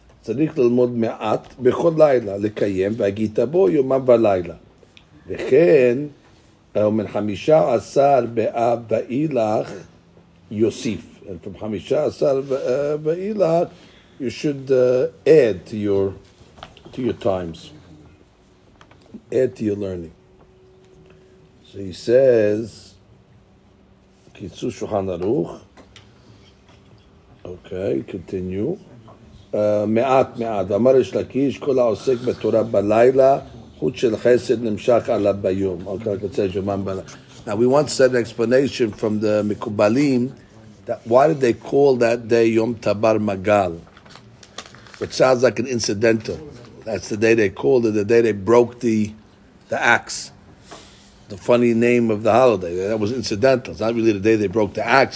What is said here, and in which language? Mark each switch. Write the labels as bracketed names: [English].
[Hebrew] צריך ללמוד מעט בכל לילה, לקיים, והגית בו יומם ולילה. וכן, אומר, 15 באב ואילך, יוסיף. [English] And from 15 [Hebrew] ואילך, [English] you should add to your times. Add to your learning. So he says, קיצו שולחן ערוך. Okay, continue. [Hebrew] מעט מעט, אמר יש לקיש, כל העוסק בתורה בלילה, חוץ של חסד נמשך עליו ביום. [English] Now we want an explanation from the מקובלים, that why did they call that day Yom Tabar Magal? It sounds like an incidental. That's the day they called it, the day they broke the axe. the funny name of the holiday. That was incidental. It's not really the day they broke the axe.